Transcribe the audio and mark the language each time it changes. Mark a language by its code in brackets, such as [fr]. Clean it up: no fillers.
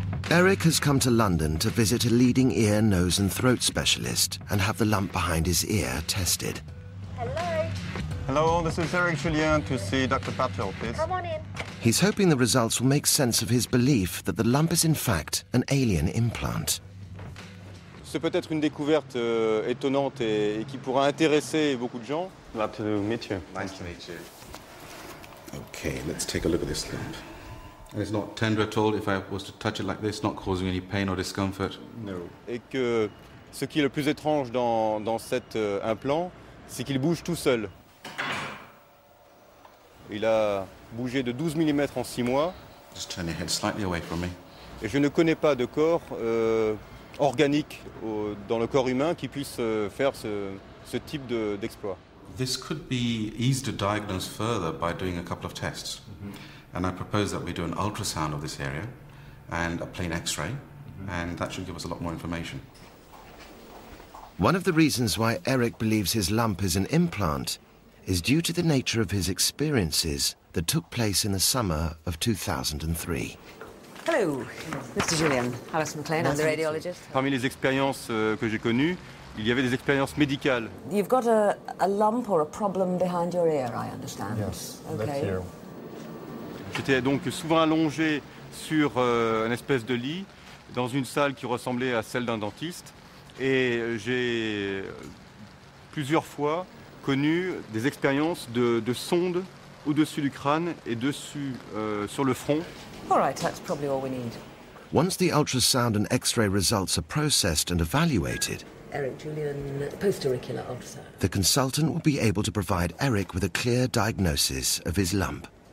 [en] Eric has come to London to visit a leading ear, nose and throat specialist and have the lump behind his ear tested. Hello. Hello, this is Eric Julien to see Dr. Patel, please. Come on in. He's hoping the results will make sense of his belief that the lump is in fact an alien implant. [fr] C'est peut-être une découverte étonnante et qui pourra intéresser beaucoup de gens. [en] Glad to meet you. Nice to meet you. Okay, let's take a look at this lump. And it's not tender at all. If I was to touch it like this, not causing any pain or discomfort. No. [fr] Et que ce qui est le plus étrange dans cet implant, c'est qu'il bouge tout seul. Il a bougé de 12 mm en 6 mois. [en] Just turn your head slightly away from me. [fr] Et je ne connais pas de corps organique dans le corps humain qui puisse faire ce type d'exploit. [en] This could be easy to diagnose further by doing a couple of tests. And I propose that we do an ultrasound of this area and a plain x-ray, and that should give us a lot more information. One of the reasons why Eric believes his lump is an implant is due to the nature of his experiences that took place in the summer of 2003. Hello, Mr. Julien. Alice McLean, I'm the radiologist. [fr] Parmi les expériences que j'ai connues, il y avait des expériences médicales. [en] You've got a lump or a problem behind your ear, I understand. Yes, okay. [fr] J'étais donc souvent allongé sur une espèce de lit dans une salle qui ressemblait à celle d'un dentiste et j'ai plusieurs fois connu des expériences de sondes au-dessus du crâne et dessus sur le front. [en] All right, that's probably all we need. Once the ultrasound and x-ray results are processed and evaluated, Eric Julien, post-auricular ultrasound. The consultant will be able to provide Eric with a clear diagnosis of his lump.